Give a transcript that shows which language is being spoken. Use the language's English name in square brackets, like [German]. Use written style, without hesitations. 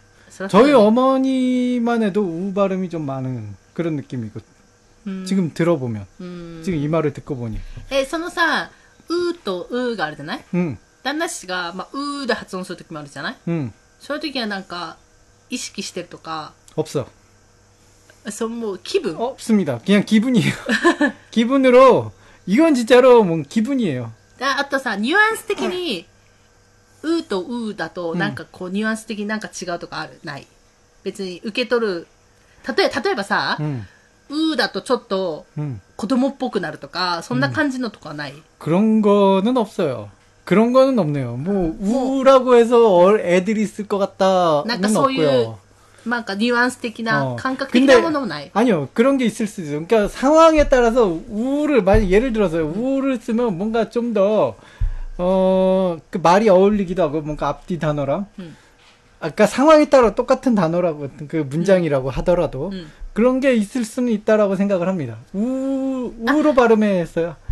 [Korean] 저희어머니만해도우발음이좀많은그런느낌이고지금들어보면지금이말을듣고보니 [Japanese] 에そのさうとうがあるじゃない旦那氏がまあうで発音するときもあるじゃないそういうときはなんか意識してるとか [Korean] 없어 [Japanese] そのもう気分 [Korean] 없습니다그냥기분이에요 기분으로이건진짜로뭐기분이에요 [Japanese] あとさニュアンス的にうとうだとなんかこうニュアンス的になんか違うとかあるない別に受け取る例えばさうだとちょっと子供っぽくなるとかそんな感じのとかない [Korean] 그런거는없어요그런거는없네요뭐우라고해서애들이있을것같다 [Japanese] なんかそういうなんかニュアンス的な感覚的なものもない [Korean] 아니요그런게있을수있어요그러니까상황에따라서우를만약예를들어서우를쓰면뭔가좀더그말이어울리기도하고뭔가앞뒤단어랑아까상황에따라똑같은단어라고그문장이라고하더라도그런게있을수는있다라고생각을합니다우우로발음했어요